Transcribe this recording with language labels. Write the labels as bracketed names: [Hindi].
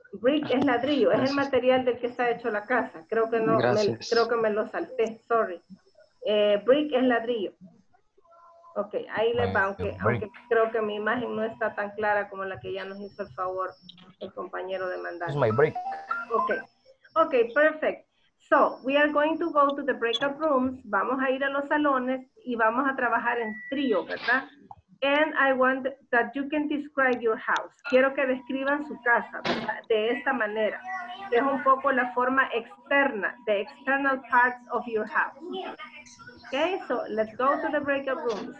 [Spanish] Brick es ladrillo, es el material del que está hecho la casa. Creo que no, creo que me lo salté, sorry. Brick es ladrillo. Ok, ahí le va, aunque creo que mi imagen no está tan clara como la que ya nos hizo el favor el compañero de mandar. [English] It's my brick. Ok, perfect. So, we are going to go to the breakout rooms. [Spanish] Vamos a ir a los salones y vamos a trabajar en trío, ¿verdad? [English] And I want that you can describe your house. [Spanish] Quiero que describan su casa, ¿verdad? De esta manera. Es un poco la forma externa, [English] the external parts of your house. Okay, so let's go to the breakout room.